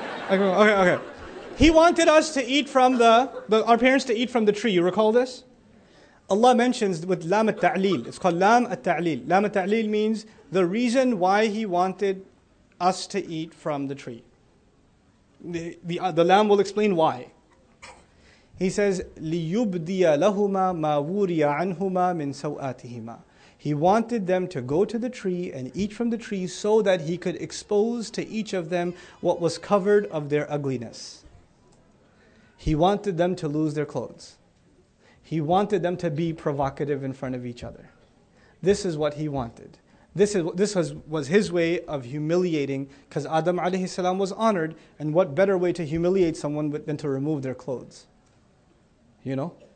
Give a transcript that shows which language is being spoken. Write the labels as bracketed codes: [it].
[en] Okay. He wanted us to eat from our parents to eat from the tree. You recall this? Allah mentions with Lam al-Ta'lil, it's called Lam al-Ta'lil. Lam al-Ta'lil means the reason why he wanted us to eat from the tree. The Lam will explain why. He He says, [ar] لِيُبْدِيَ لَهُمَا مَا وُرِيَ عَنْهُمَا مِنْ سَوْآتِهِمَا. [en] He wanted them to go to the tree and eat from the tree so that he could expose to each of them what was covered of their ugliness. He wanted them to lose their clothes. He wanted them to be provocative in front of each other. This is what he wanted. This was his way of humiliating, because Adam alayhi salam was honored, and what better way to humiliate someone than to remove their clothes? You know?